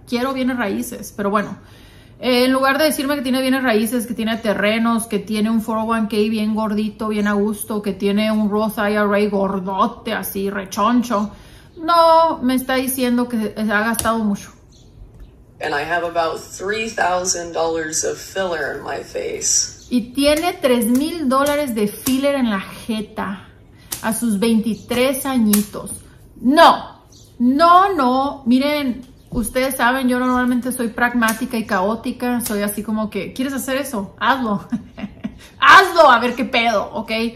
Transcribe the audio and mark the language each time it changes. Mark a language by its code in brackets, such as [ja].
[es] Quiero bienes raíces, pero bueno... En lugar de decirme que tiene bienes raíces, que tiene terrenos, que tiene un 401k bien gordito, bien a gusto, que tiene un Roth IRA gordote, así, rechoncho, no, me está diciendo que ha gastado mucho. [en] And I have about $3,000 of filler in my face. [es] Y tiene $3,000 de filler en la jeta a sus 23 añitos. No, no, no, miren... Ustedes saben, yo normalmente soy pragmática y caótica. Soy así como que, ¿quieres hacer eso? Hazlo. Hazlo, a ver qué pedo, ¿ok?